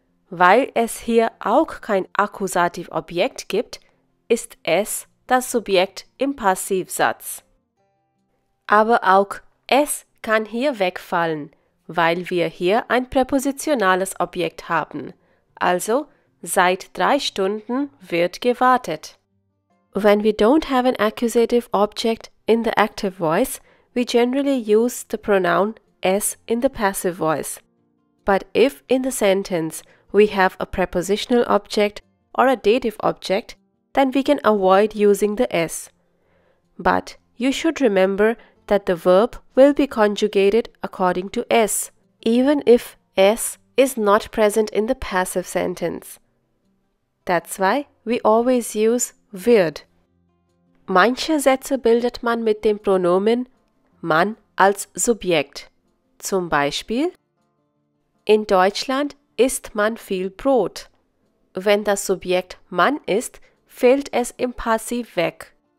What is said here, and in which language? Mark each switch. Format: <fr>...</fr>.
<de>Weil es hier auch kein Akkusativobjekt gibt, ist es das Subjekt im Passivsatz. Aber auch es kann hier wegfallen, weil wir hier ein präpositionales Objekt haben. Also, seit 3 Stunden wird gewartet.</de> <en>When we don't have an accusative object in the active voice, we generally use the pronoun es in the passive voice. But if in the sentence we have a prepositional object or a dative object, then we can avoid using the es. But you should remember that the verb will be conjugated according to es, even if es is not present in the passive sentence. That's why we always use wird.</en> <de>Manche Sätze bildet man mit dem Pronomen man als Subjekt. Zum Beispiel, in Deutschland isst man viel Brot. Wenn das Subjekt man ist, fällt es im Passiv weg.</de>